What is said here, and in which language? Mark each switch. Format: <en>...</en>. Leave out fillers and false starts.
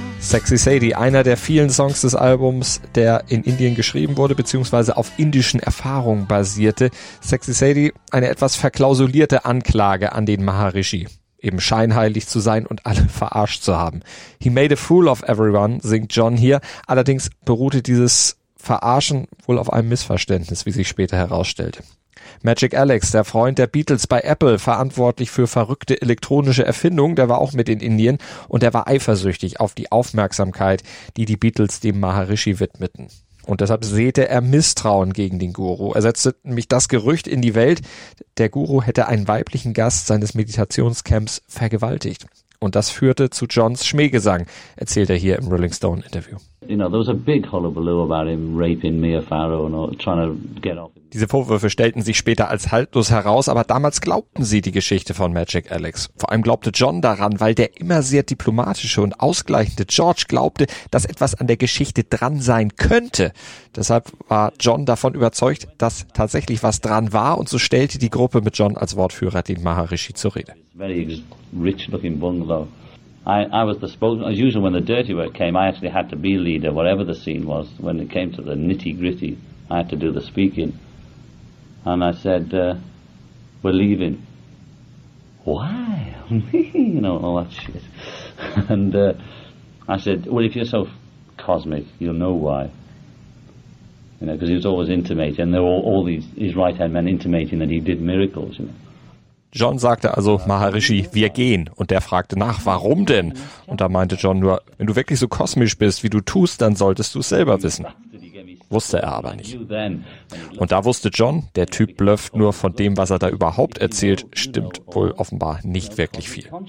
<de>Sexy Sadie, einer der vielen Songs des Albums, der in Indien geschrieben wurde bzw. auf indischen Erfahrungen basierte. Sexy Sadie, eine etwas verklausulierte Anklage an den Maharishi, eben scheinheilig zu sein und alle verarscht zu haben.</de> <en>He made a fool of everyone,</en> <de>singt John hier. Allerdings beruhte dieses Verarschen wohl auf einem Missverständnis, wie sich später herausstellte. Magic Alex, der Freund der Beatles bei Apple, verantwortlich für verrückte elektronische Erfindungen, der war auch mit in Indien und der war eifersüchtig auf die Aufmerksamkeit, die die Beatles dem Maharishi widmeten. Und deshalb säte er Misstrauen gegen den Guru. Er setzte nämlich das Gerücht in die Welt, der Guru hätte einen weiblichen Gast seines Meditationscamps vergewaltigt. Und das führte zu Johns Schmähgesang, erzählt er hier im Rolling Stone Interview.</de> <en>You know, there was a big hullabaloo about him raping Mia Farrow and trying to get off.</en> <de>Diese Vorwürfe stellten sich später als haltlos heraus, aber damals glaubten sie die Geschichte von Magic Alex. Vor allem glaubte John daran, weil der immer sehr diplomatische und ausgleichende George glaubte, dass etwas an der Geschichte dran sein könnte. Deshalb war John davon überzeugt, dass tatsächlich was dran war, und so stellte die Gruppe mit John als Wortführer den Maharishi zur Rede.</de> <en>Very rich looking bungalow. I was the spokesman. As usual, when the dirty work came, I actually had to be leader, whatever the scene was. When it came to the nitty gritty, I had to do the speaking. And I said, we're leaving. Why? Me? You know, all that shit. And I said, well, if you're so cosmic, you'll know why. You know, because he was always intimating, and there were all these, his right-hand men intimating that he did miracles, you know.</en> <de>John sagte also, Maharishi, wir gehen. Und der fragte nach, warum denn? Und da meinte John nur, wenn du wirklich so kosmisch bist, wie du tust, dann solltest du es selber wissen. Wusste er aber nicht. Und da wusste John, der Typ blufft nur, von dem, was er da überhaupt erzählt, stimmt wohl offenbar nicht wirklich viel.</de>